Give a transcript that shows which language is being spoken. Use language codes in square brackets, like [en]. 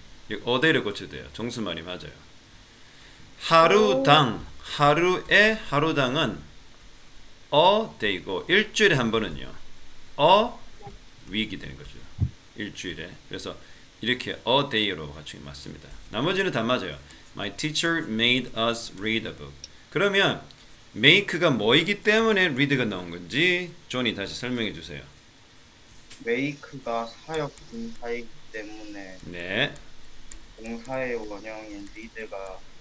[ko] 이 어데이를 고쳐야 돼요. 정수 말이 맞아요. 하루당, 하루에 하루당은 어데이고, 일주일에 한 번은요. 어 위기 되는 거죠. 일주일에. 그래서 이렇게 어데이로 맞추기 맞습니다. 나머지는 다 맞아요. [en] My teacher made us read a book. [ko] 그러면 make가 뭐이기 때문에 read가 나온 건지 존이 다시 설명해 주세요. 메이크가 사역 분사이기 때문에 네. 동사의 원형인 리드가